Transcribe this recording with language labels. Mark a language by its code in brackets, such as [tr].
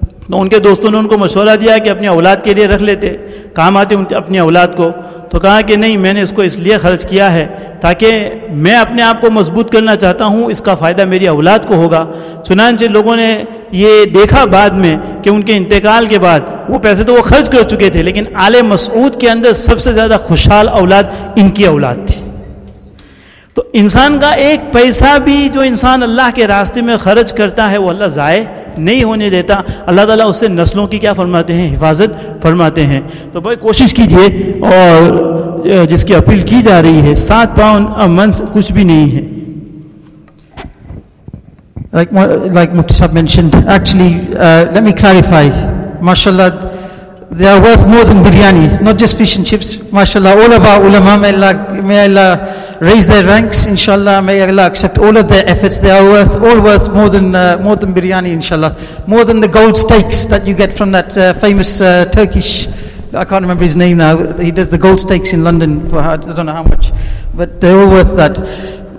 [ur] تو ان کے دوستوں نے ان کو مشورہ دیا کہ اپنی اولاد کے لیے رکھ لیتے کام آتے اپنی اولاد کو تو کہا کہ نہیں میں نے اس کو اس لیے خرچ کیا ہے تاکہ میں اپنے آپ کو مضبوط کرنا چاہتا ہوں اس کا فائدہ میری اولاد کو ہوگا چنانچہ لوگوں نے یہ دیکھا بعد میں کہ ان کے انتقال کے بعد وہ پیسے تو وہ خرچ کر چکے تھے لیکن آل مسعود کے اندر سب سے زیادہ خوشحال اولاد ان کی اولاد تھی تو انسان کا ایک پیسہ بھی جو انسان اللہ کے راستے میں خرچ کرتا ہے وہ اللہ ضائع نہیں ہونے دیتا. اللہ تعالیٰ اس سے نسلوں کی کیا فرماتے ہیں, حفاظت فرماتے ہیں. تو بھائی کوشش کیجئے, اور جس کی اپیل کی جا رہی ہے, [en] £7 a month [ur] کچھ بھی نہیں ہے. [en] Like Mufti Saab mentioned, actually, let me clarify, mashallah, they are worth more than biryani, not just fish and chips, mashallah, all of our ulama, may Allah raise their ranks, inshallah, may Allah accept all of their efforts, they are worth more than biryani, inshallah, more than the gold steaks that you get from that famous Turkish, I can't remember his name now, he does the gold steaks in London, I don't know how much, but they're all worth that.